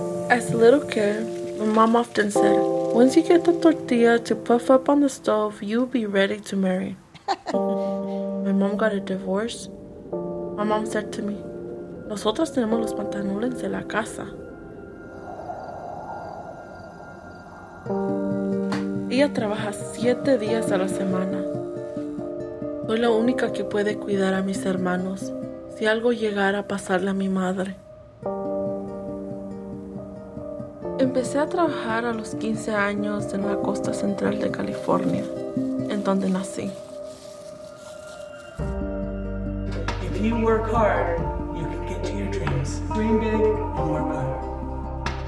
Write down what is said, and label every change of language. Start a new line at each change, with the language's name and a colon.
English: As a little kid, my mom often said, once you get the tortilla to puff up on the stove, you'll be ready to marry. My mom got a divorce. My mom said to me,
Spanish: nosotros tenemos los pantalones de la casa. Ella trabaja 7 días a la semana. Soy la única que puede cuidar a mis hermanos. Si algo llegara a pasarle a mi madre. Empecé a trabajar a los 15 años en la costa central de California, en donde nací.
English: If you work hard, you can get to your dreams. Dream big and work hard.